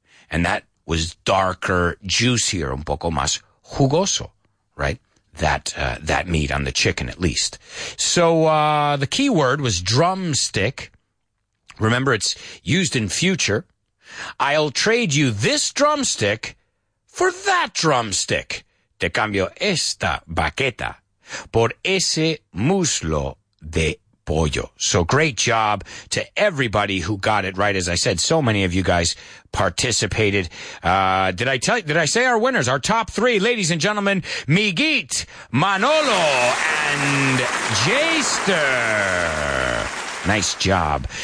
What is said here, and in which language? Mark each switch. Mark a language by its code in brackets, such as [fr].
[en] And that was darker, juicier, un poco más jugoso, right? That meat on the chicken, at least. So the key word was drumstick. Remember, it's used in future. I'll trade you this drumstick for that drumstick. [es] Te cambio esta baqueta por ese muslo de pollo. [en] So great job to everybody who got it right. As I said, so many of you guys participated. Did I say our winners? Our top three, ladies and gentlemen, Miguit, Manolo, and Jester. Nice job.